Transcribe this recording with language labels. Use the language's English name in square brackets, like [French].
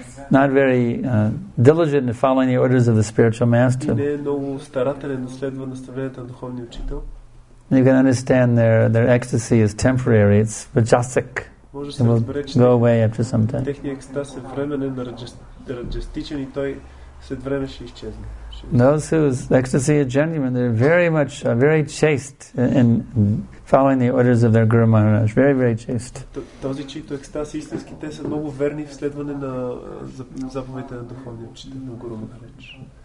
[English] not very diligent in following the orders of the spiritual master, [Bulgarian] не е много старателен да следва наставленията на духовния учител, [English] you can understand their ecstasy is temporary, it's rajasic, it will go away after some time. [Bulgarian] Техният екстаз е временен, раджастичен и той след време ще изчезне. [English] Those whose ecstasy is genuine, they're very much, very chaste in following the orders of their Guru Maharaj. Very, very chaste. [Bulgarian] Този, чието екстаз е истински, те са много верни в следване на заповедите на духовния учител, на Гуру Махарадж.